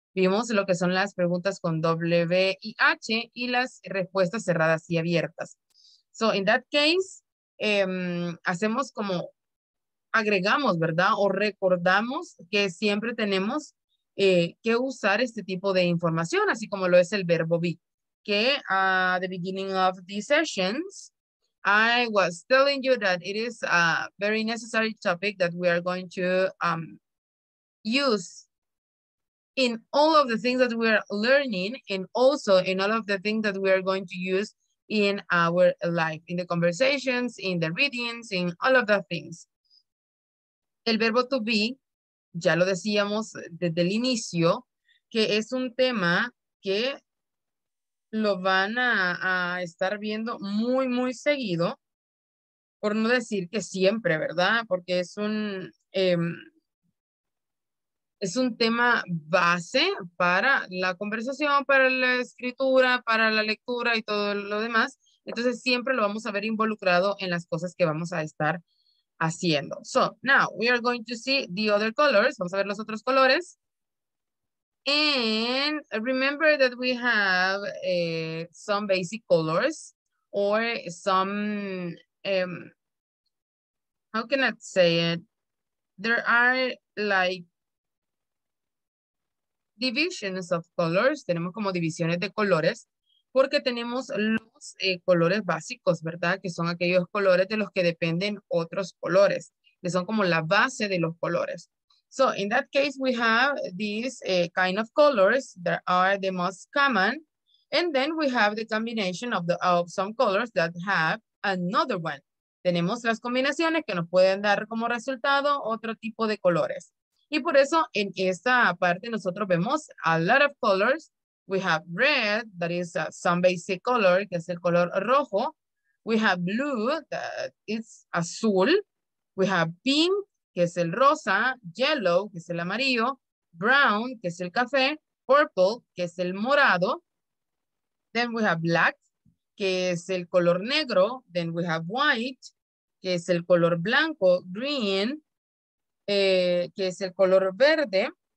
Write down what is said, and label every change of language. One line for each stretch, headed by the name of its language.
Spanish: Vimos lo que son las preguntas con W y H y las respuestas cerradas y abiertas.
English: So in that case,
Spanish: hacemos como agregamos, ¿verdad? O recordamos que siempre tenemos que usar este tipo de información, así como lo es el verbo be.
English: Que at the beginning of the sessions, I was telling you that it is a very necessary topic that we are going to use in all of the things that we are learning and also in all of the things that we are going to use in our life, in the conversations, in the readings, in all of the things.
Spanish: El verbo to be, ya lo decíamos desde el inicio, que es un tema que lo van a estar viendo muy, muy seguido, por no decir que siempre, ¿verdad? Porque es un tema base para la conversación, para la escritura, para la lectura y todo lo demás. Entonces, siempre lo vamos a ver involucrado en las cosas que vamos a estar haciendo.
English: So, now we are going to see the other colors.
Spanish: Vamos a ver los otros colores.
English: And remember that we have some basic colors or some, how can I say it? There are like divisions of colors.
Spanish: Tenemos como divisiones de colores porque tenemos los colores básicos, ¿verdad? Que son aquellos colores de los que dependen otros colores, que son como la base de los colores.
English: So in that case, we have these kind of colors that are the most common. And then we have the combination of some colors that have another one.
Spanish: Tenemos las combinaciones que nos pueden dar como resultado otro tipo de colores. Y por eso en esta parte nosotros vemos
English: a lot of colors. We have red, that is some basic color,
Spanish: que es el color rojo.
English: We have blue, that is
Spanish: azul.
English: We have pink,
Spanish: que es el rosa, yellow, que es el amarillo, brown, que es el café, purple, que es el morado,
English: then we have black,
Spanish: que es el color negro,
English: then we have white,
Spanish: que es el color blanco, green, que es el color verde,